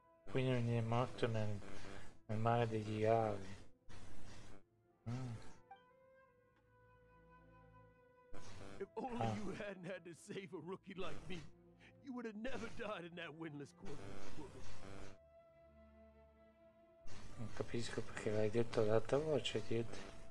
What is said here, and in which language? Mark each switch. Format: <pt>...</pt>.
<it>Quindi non è morto nel mare degli avi.</it> <en>If only you hadn't had to save a rookie like me, You would have never died in that windless quarter.</en> <it>Non capisco perché l'hai detto ad alta voce, dude.</it>